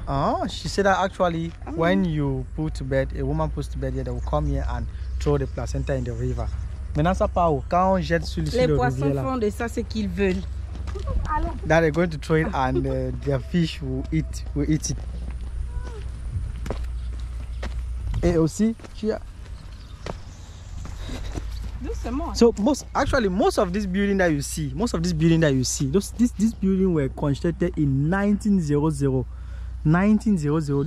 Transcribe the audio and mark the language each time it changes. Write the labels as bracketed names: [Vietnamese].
[English] Ah, she said that actually, when you put to bed, a woman puts to bed here, they will come here and throw the placenta in the river. [French] Maintenant, ça part où? Quand on jette sur le rivière. Les poissons font de ça ce qu'ils veulent. [English] That they're going to throw it and their fish will eat it. [French] Et aussi, tu as. Doucement. [English] So most of this building that you see, this building were constructed in 1900.